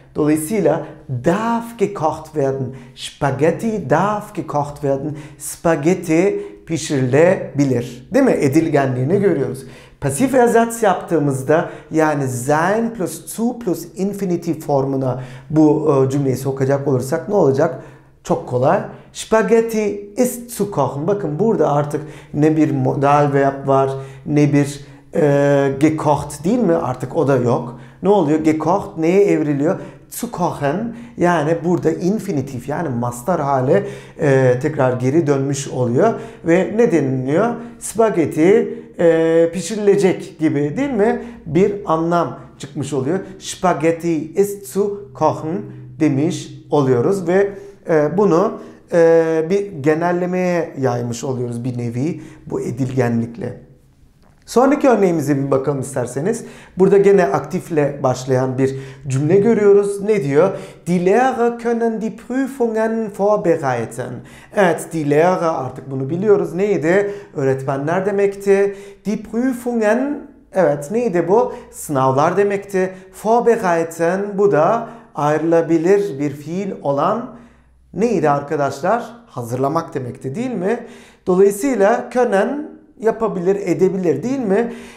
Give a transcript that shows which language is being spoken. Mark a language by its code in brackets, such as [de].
[tr] Dolayısıyla [de] darf gekocht werden. Spaghetti darf gekocht werden. [tr] Spaghetti pişirilebilir. Değil mi? Edilgenliğini görüyoruz. Pasif ersatz yaptığımızda, yani sein plus zu plus infinitiv formuna bu cümleyi sokacak olursak ne olacak? Çok kolay. [de] Spaghetti ist zu kochen. [tr] Bakın burada artık ne bir modal verb var, ne bir gekocht, değil mi? Artık o da yok. Ne oluyor? Gekocht neye evriliyor? Zu kochen, yani burada infinitif, yani mastar hale tekrar geri dönmüş oluyor. Ve ne deniliyor? Spagetti pişirilecek gibi, değil mi? Bir anlam çıkmış oluyor. [de] Spagetti ist zu kochen [tr] demiş oluyoruz ve bunu bir genellemeye yaymış oluyoruz bir nevi bu edilgenlikle. Sonraki örneğimize bir bakalım isterseniz. Burada gene aktifle başlayan bir cümle görüyoruz. Ne diyor? [de] Die Lehrer können die Prüfungen vorbereiten. [tr] Evet, [de] die Lehrer, [tr] artık bunu biliyoruz. Neydi? Öğretmenler demekti. [de] Die Prüfungen, [tr] evet, neydi bu? Sınavlar demekti. Vorbereiten, bu da ayrılabilir bir fiil olan neydi arkadaşlar? Hazırlamak demekti, değil mi? Dolayısıyla können yapabilir, edebilir, değil mi?